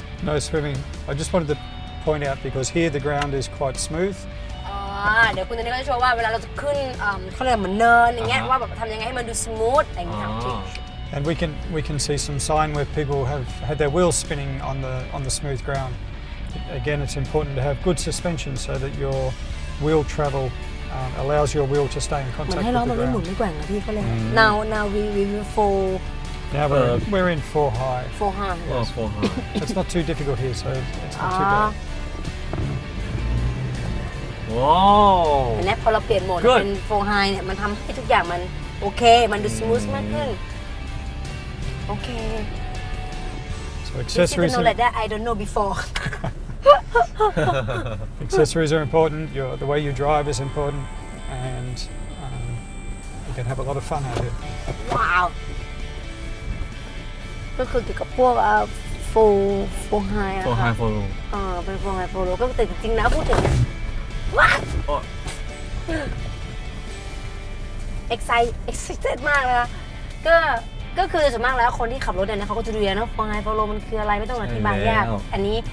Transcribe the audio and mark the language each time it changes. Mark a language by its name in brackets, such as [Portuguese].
[English] No swimming I just wanted to point out because here the ground is quite smooth [Thai] เดี๋ยวคุณตอนนี้ก็จะโชว์ว่าเวลาเราจะขึ้นเขาเรียกเหมือนเนินอย่างเงี้ยว่าแบบทำยังไงให้มันดูสมูทอย่างเงี้ยครับ [English] And we can see some sign where people have had their wheels spinning on the smooth ground. Again, it's important to have good suspension so that your wheel travel allows your wheel to stay in contact with the ground. [Thai] มันให้ล้อมันไม่หมุนไม่แกว่งอะพี่เขาเลย [English] Now we will fall. Now we're in four high. Four high. Oh, four high. It's not too difficult here, so it's not too bad. Wow. [Thai] เห็นไหมพอเราเปลี่ยนโหมดเป็นโฟร์ไฮเนี่ยมันทำให้ทุกอย่างมันโอเคมันดูสมูทมากขึ้นโอเค [English] So accessories didn't know like that I don't know before Accessories are important the way you drive is important and you can have a lot of fun out here [Thai] Wow ก็คือเกี่ยวกับพวกโฟร์ไฮโฟร์โลก็แต่จริงๆนะพูดถึงexcited มากนะก็คือส่วนมากแล้วคนที่ขับรถเนี่ยนะเขาก็จะดูนะฟังไงฟอลโลมันคืออะไรไม่ต้องอธิบายยากอันนี